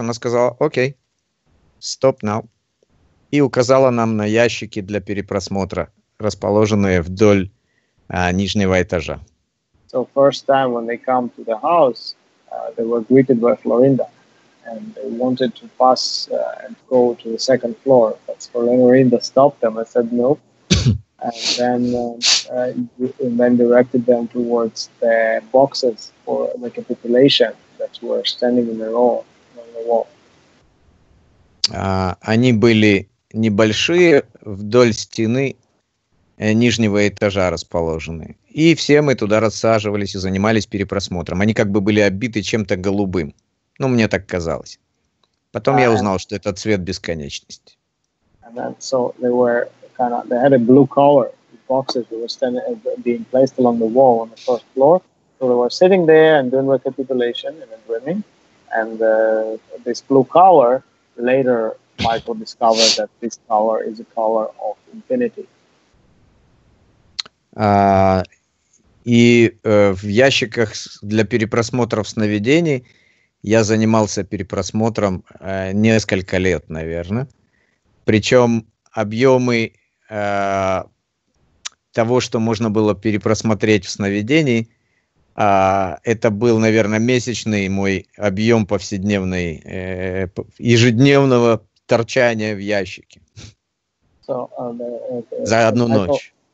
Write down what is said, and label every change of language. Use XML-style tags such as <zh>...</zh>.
<ru>Она сказала: окей,</ru> <en>stop now.</en> <ru>И указала нам на ящики для перепросмотра, расположенные вдоль нижнего этажа.</ru> <en>So first time when they come to the house, they were greeted by Florinda, and they wanted to pass and go to the second floor. But Florinda stopped them and said no, and then directed them towards the boxes for the capitulation that were standing in a row on the wall.</en> <ru>Они были небольшие, вдоль стены нижнего этажа расположены. И все мы туда рассаживались и занимались перепросмотром. Они как бы были обиты чем-то голубым. Ну, мне так казалось. Потом я узнал, что это цвет бесконечности.</ru> <en>And then, so they were kind of, they had a blue color. The boxes were standing, being placed along the wall on the first floor. So they were sitting there and doing recapitulation and dreaming. And this blue color, later Michael discovered that this color is a color of infinity.</en> <ru>В ящиках для перепросмотров сновидений я занимался перепросмотром несколько лет, наверное. Причем объемы того, что можно было перепросмотреть в сновидении, это был, наверное, месячный мой объем повседневной ежедневного торчания в ящике за одну ночь.</ru>